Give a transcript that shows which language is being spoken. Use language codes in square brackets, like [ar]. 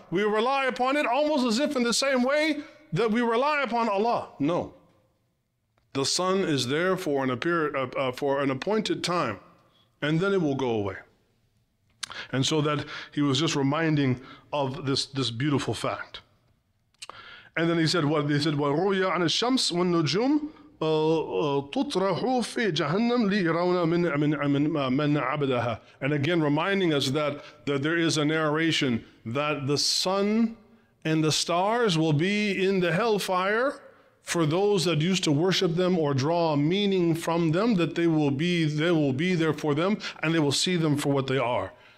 [en] We rely upon it almost as if in the same way that we rely upon Allah. No. The sun is there for an appointed time, and then it will go away. And so that he was just reminding of this beautiful fact. And then he said, what? He said, [ar] وَرُوْيَ عَنَ الشَّمْسِ وَالنُّجُومِ تُطْرَحُ فِي جَهَنَّمْ لِيْرَوْنَ مِنْ عَبْدَهَا. [en] And again, reminding us that there is a narration that the sun and the stars will be in the hellfire for those that used to worship them or draw meaning from them, that they will be there for them, and they will see them for what they are.